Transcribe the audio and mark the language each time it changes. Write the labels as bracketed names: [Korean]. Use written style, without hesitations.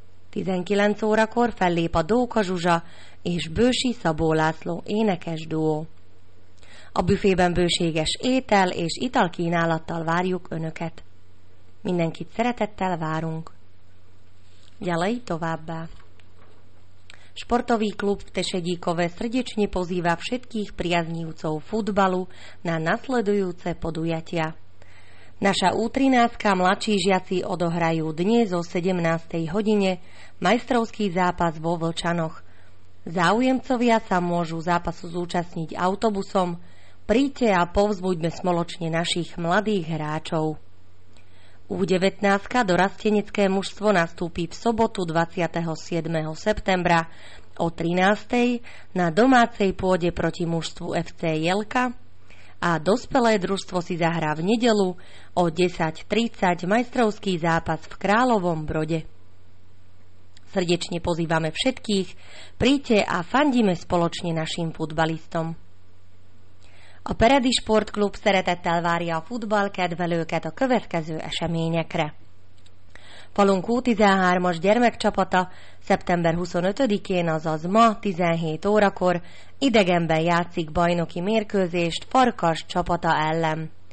[Hungarian] 19 órakor fellép a Dóka Zsuzsa és Bősi Szabó László énekes duó. A büfében bőséges étel és italkínálattal várjuk önöket. Mindenkit szeretettel várunk. Gyalai továbbá! [Slovak] Sportový klub v Tešedíkove srdečne pozýva všetkých priaznívcov futbalu na nasledujúce podujatia. Naša U13-ka mladší žiaci odohrajú dnes o 17. hodine majstrovský zápas vo Vlčanoch. Záujemcovia sa môžu zápasu zúčastniť autobusom. Príďte a povzbuďme spoločne našich mladých hráčov. U19-ka dorastenecké mužstvo nastúpi v sobotu 27. septembra o 13. na domácej pôde proti mužstvu FC Jelka a dospelé družstvo si zahrá v nedeľu o 10.30 majstrovský zápas v Královom Brode. Srdečne pozývame všetkých, príďte a fandíme spoločne našim futbalistom. [Hungarian] A Peredi Sportklub szeretettel várja a futball kedvelőket a következő eseményekre. Falunk U13-as gyermekcsapata szeptember 25-én, azaz ma 17 órakor idegenben játszik bajnoki mérkőzést Farkas csapata ellen.